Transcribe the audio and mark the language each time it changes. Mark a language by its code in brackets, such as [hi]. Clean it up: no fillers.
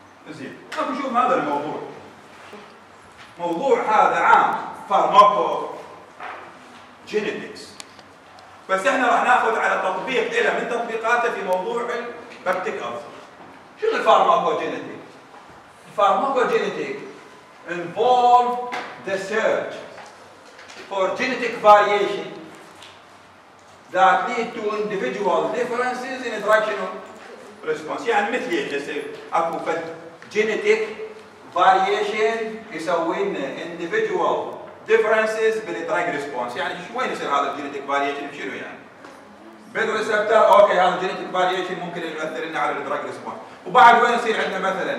[ar] زين، خلينا نشوف هذا الموضوع. موضوع هذا عام فارماكو جينيتكس، بس احنا راح ناخذ على تطبيق الى من تطبيقاته في موضوع البابتيك ألسر. شنو الفارماكو جينيتيك؟ الفارماكو جينيتيك [en] involve the search for genetic variation that lead to individual differences in interactional response. [ar] يعني مثل يصير اكو فد جينيتيك variation يسوي لنا [en] individual differences [ar] بالدراج ريسبونس. يعني وين يصير هذا الجينيتيك فاريشن؟ شنو يعني؟ بالريسبتر. اوكي، هذا الجينيتيك فاريشن ممكن يؤثر لنا على الدراج ريسبونس. وبعد وين يصير عندنا مثلا؟